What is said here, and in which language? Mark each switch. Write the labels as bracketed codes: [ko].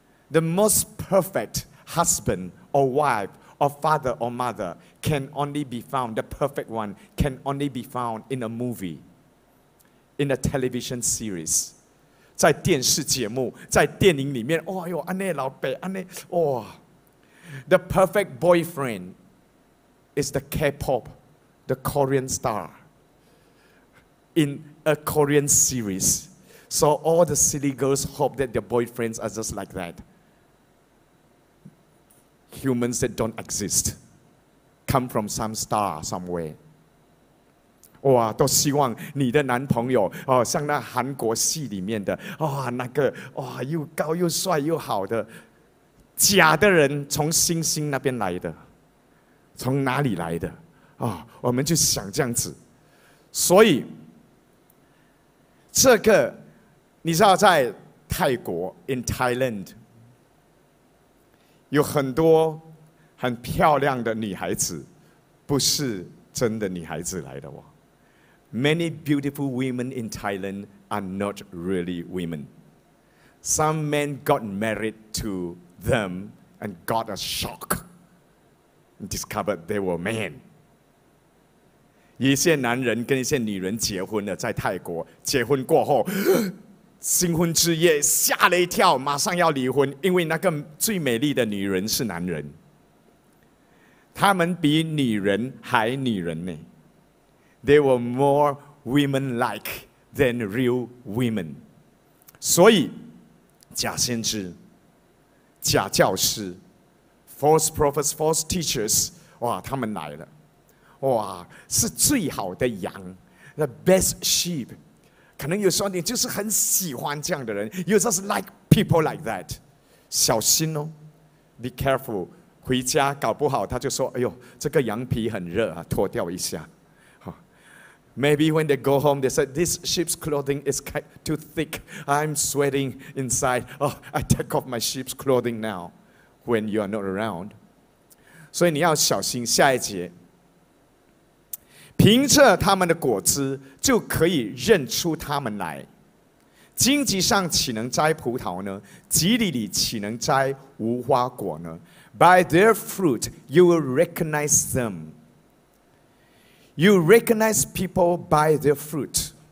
[en] The most perfect husband or wife or father or mother can only be found, the perfect one can only be found in a movie, in a television series. [zh] 在电视节目，在电影里面，哦哟，安内老伯，安内，哇。 [en] The perfect boyfriend is the K-pop, the Korean star in a Korean series. So all the silly girls hope that their boyfriends are just like that. Humans that don't exist come from some star somewhere. [zh] 哇，都希望你的男朋友哦，像那韩国戏里面的哇、哦，那个哇、哦，又高又帅又好的。假的人从星星那边来的，从哪里来的啊、哦？我们就想这样子，所以这个你知道，在泰国 [en] in Thailand [zh] 有很多很漂亮的女孩子，不是真的女孩子来的哦。 [en] Many beautiful women in Thailand are not really women. Some men got married to. Them and got a shock and discovered they were men. [zh] 一些男人跟一些女人结婚了，在泰国结婚过后，新婚之夜吓了一跳，马上要离婚，因为那个最美丽的女人是男人。他们比女人还女人呢。 [en] They were more women-like than real women. [zh] 所以，假先知。假教师 [en] false prophets, false teachers, [zh] 哇，他们来了，哇，是最好的羊 [en] the best sheep. [zh] 可能有时候你就是很喜欢这样的人 [en] you just like people like that. [zh] 小心哦 [en] be careful. [zh] 回家搞不好他就说，哎呦，这个羊皮很热啊，脱掉一下。 [en] Maybe when they go home, they said, this sheep's clothing is too thick. I'm sweating inside. Oh, I take off my sheep's clothing now when you are not around. [zh] 所以你要小心下一节。凭着他们的果子就可以认出他们来。荆棘上岂能摘葡萄呢？棘藜里岂能摘无花果呢？ [en] By their fruit, you will recognize them. You recognize people by their fruit.